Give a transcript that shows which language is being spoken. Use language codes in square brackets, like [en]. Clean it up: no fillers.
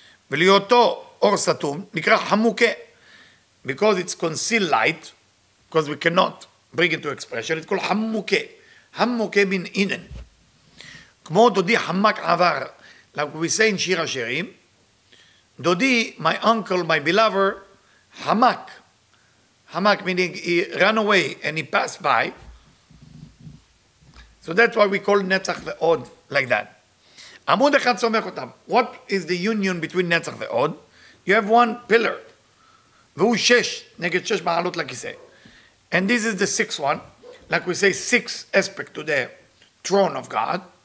[he] ולהיותו אור סתום, נקרא חמוקה. [en] Because it's concealed light, because we cannot bring it to expression, it's called חמוקה. [he] חמוקה מן אינן. כמו דודי חמק עבר, [en] like we say in שיר השירים, דודי, my uncle, my beloved, חמק. חמק meaning he ran away and he passed by. So that's why we call נצח ועוד like that. [he] עמוד אחד סומך אותם. [en] What is the union between נצח ועוד? You have one pillar. [he] והוא שש, נגד שש מעלות לכיסא. [en] And this is the sixth one. Like we say, six aspect to the throne of God.